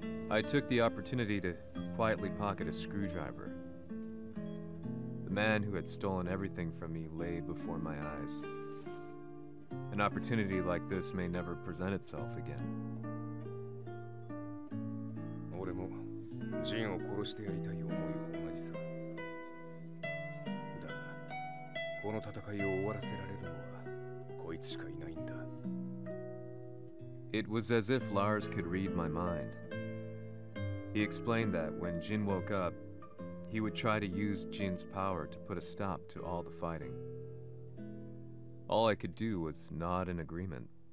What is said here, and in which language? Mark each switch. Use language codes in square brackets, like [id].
[en] I took the opportunity to quietly pocket a screwdriver. The man who had stolen everything from me lay before my eyes. An opportunity like this may never present itself again. [ja] I も仁を殺してやりたい思いは同じさ。だが、この戦いを終わらせられるのはこいつしかいないんだ。 [en] It was as if Lars could read my mind. He explained that when Jin woke up, he would try to use Jin's power to put a stop to all the fighting. All I could do was nod in agreement.